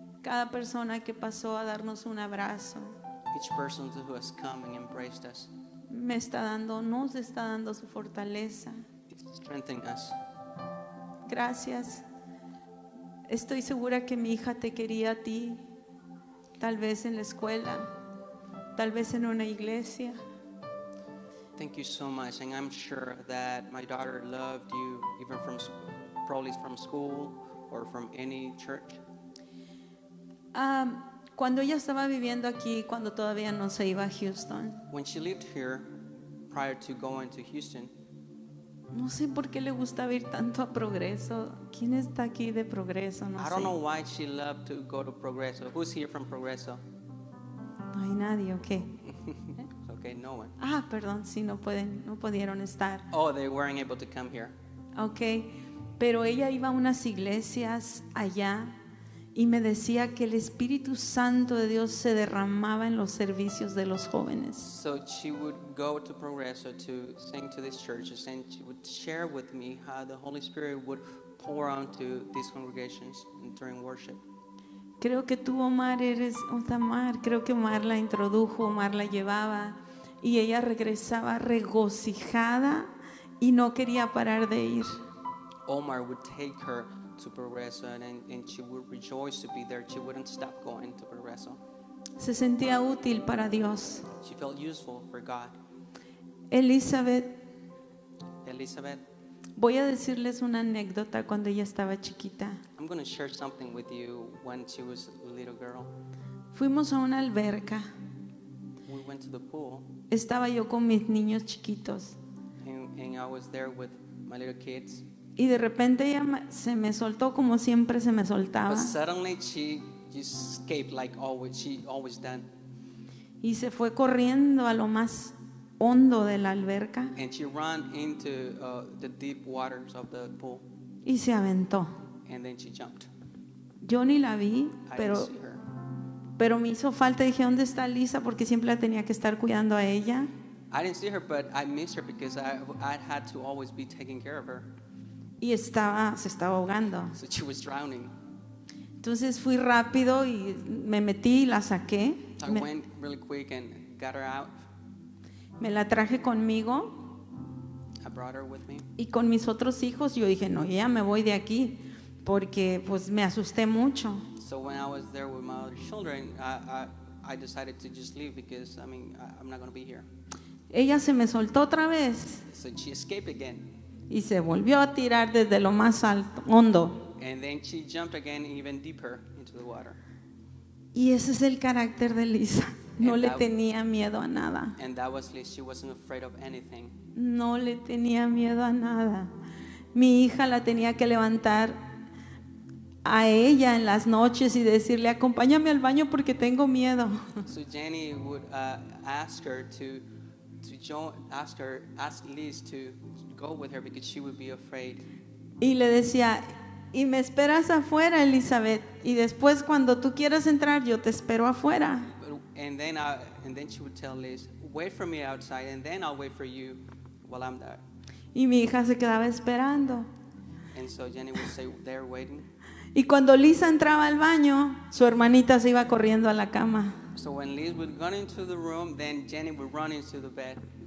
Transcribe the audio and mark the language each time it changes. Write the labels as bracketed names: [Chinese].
[Spanish] Cada persona que pasó a darnos un abrazo. [English] Each person who has come and embraced us. [Spanish] Nos está dando su fortaleza. [English] It's strengthening us. [Spanish] Gracias. Estoy segura que mi hija te quería a ti. Tal vez en la escuela. Tal vez en una iglesia. [English] Thank you so much. And I'm sure that my daughter loved you, even from probably from school or from any church. [Spanish] Cuando ella estaba viviendo aquí, cuando todavía no se iba a Houston. [English] When she lived here, prior to going to Houston. [Spanish] No sé por qué le gustaba ir tanto a Progreso. ¿Quién está aquí de Progreso? No sé. [English] I don't know why she loved to go to Progreso. Who's here from Progreso? [Spanish] No hay nadie, okay. [English] Okay, no one. [Spanish] Ah, perdón, sí, no pudieron estar. [English] Oh, they weren't able to come here. [Spanish] Okay, pero ella iba a unas iglesias allá. Y me decía que el Espíritu Santo de Dios se derramaba en los servicios de los jóvenes. [English] So she would go to Progreso to sing to these churches, and she would share with me how the Holy Spirit would pour onto these congregations during worship. [Spanish] Creo que tú, Omar, eres Otamar. Creo que Omar la introdujo, Omar la llevaba, y ella regresaba regocijada y no quería parar de ir. [English] Omar would take her to Progreso, and she would rejoice to be there. She wouldn't stop going to Progreso. [Spanish] Se sentía útil para Dios. [English] She felt useful for God. [Spanish] Elizabeth, voy a decirles una anécdota cuando ella estaba chiquita. [English] I'm going to share something with you when she was a little girl. [Spanish] Fuimos a una alberca. [English] We went to the pool. [Spanish] Estaba yo con mis niños chiquitos. [English] And I was there with my little kids. [Spanish] Y de repente ella se me soltó como siempre se me soltaba. [English] But suddenly she escaped like always, she always done. [Spanish] Y se fue corriendo a lo más hondo de la alberca. [English] And she ran into the deep waters of the pool. [Spanish] Y se aventó. [English] And then she jumped. [Spanish] Yo ni la vi, pero me hizo falta. Dije, ¿dónde está Lisa? Porque siempre la tenía que estar cuidando a ella. [English] I didn't see her, but I missed her because I had to always be taking care of her. [Spanish] y estaba, se estaba ahogando. [English] So she was drowning. [Spanish] Entonces fui rápido y me metí y la saqué. [English] I went really quick and got her out. [Spanish] Me la traje conmigo. [English] I brought her with me. [Spanish] Y con mis otros hijos yo dije, no, ya me voy de aquí porque pues me asusté mucho. [English] So when I was there with my other children, I decided to just leave because I mean I'm not going to be here. [Spanish] Ella se me soltó otra vez. [English] So she escaped again. [Spanish] Y se volvió a tirar desde lo más alto, hondo. [English] And then she jumped again even deeper into the water. [Spanish] Y ese es el carácter de Lisa. No le tenía miedo a nada. [English] And that was Lisa. She wasn't afraid of anything. [Spanish] No le tenía miedo a nada. Mi hija la tenía que levantar a ella en las noches y decirle, acompáñame al baño porque tengo miedo. [English] So Jenny would ask Liz to go with her because she would be afraid. [Spanish] Y le decía, y me esperas afuera, Elizabeth, y después cuando tú quieras entrar, yo te espero afuera. [English] And then she would tell Liz, wait for me outside, and then I'll wait for you while I'm there. [Spanish] Y mi hija se quedaba esperando. [English] And so Jenny would stay there waiting. [Spanish] Y cuando Lisa entraba al baño, su hermanita se iba corriendo a la cama. [English] So when Liz would run into the room, then Jenny would run into the bed.